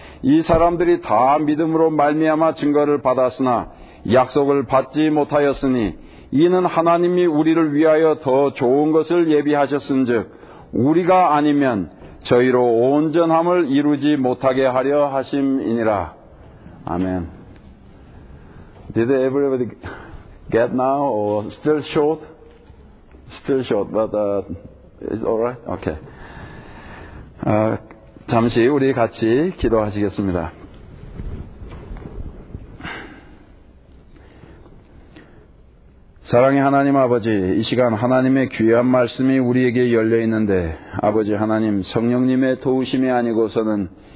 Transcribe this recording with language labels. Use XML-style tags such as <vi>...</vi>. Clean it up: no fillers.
<ko>이 사람들이 다 믿음으로 말미암아 증거를 받았으나 약속을 받지 못하였으니 이는 하나님이 우리를 위하여 더 좋은 것을 예비하셨은즉 우리가 아니면 저희로 온전함을 이루지 못하게 하려 하심이니라. 아멘.</ko> <en>Did everybody get now or still short? Still short, but it's all right? Okay.</en> <ko>잠시 우리 같이 기도하시겠습니다. 사랑의 하나님 아버지, 이 시간 하나님의 귀한 말씀이 우리에게 열려있는데 아버지 하나님 성령님의 도우심이 아니고서는</ko>